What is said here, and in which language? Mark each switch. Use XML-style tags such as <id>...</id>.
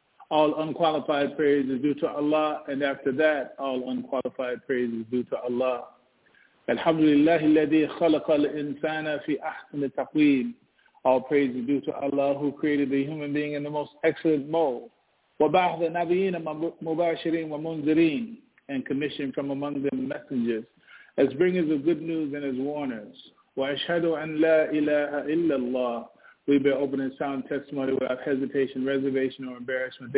<en>All unqualified praise is due to Allah, and after that, all unqualified praise is due to Allah.</en> <ar>الحمد لله الذي خلق الإنسان في أحسن تقويم.</ar> <en>All praise is due to Allah who created the human being in the most excellent mold.</en> <ar>وَبَعْثَ نَبِيِّينَ مُبَاشِرِينَ وَمُنذِرِينَ,</ar> <en>and commissioned from among them messengers as bringers of good news and as warners.</en> <ar>وَأَشْهَدُ أَنْ لَا إِلَهَ إِلَّا اللَّهُ.</ar> <en>We bear open and sound testimony without hesitation, reservation, or embarrassment.</en>